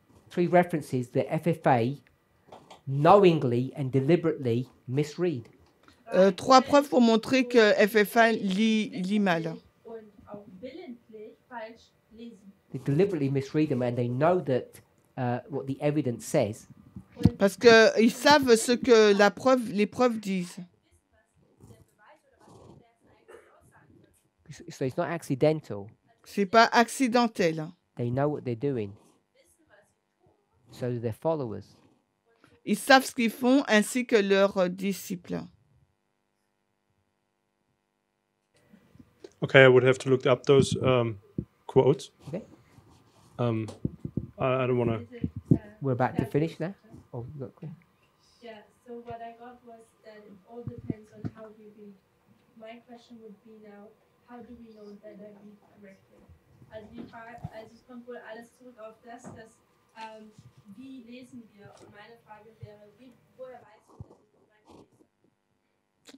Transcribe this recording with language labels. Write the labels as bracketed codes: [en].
[en] Three references that FFA knowingly and deliberately misread. [fr] Trois preuves pour montrer que FFA lit mal. [en] They deliberately misread them and they know that what the evidence says. [fr] Parce que ils savent ce que la preuve, les preuves disent. [en] So it's not accidental. [fr] C'est pas accidentel. [en] They know what they're doing. So do their followers. [fr] Ils savent ce qu'ils font ainsi que leurs disciples. [en] Okay, I would have to look up those quotes. Okay. I don't want to. We're about to finish now. Oh, yeah, so what I got was that it all depends on how you read. My question would be now, how do we know that I read correctly? [de] Also, es kommt wohl alles zurück auf das, dass wie lesen wir? Und meine Frage wäre, woher weißt du, dass ich das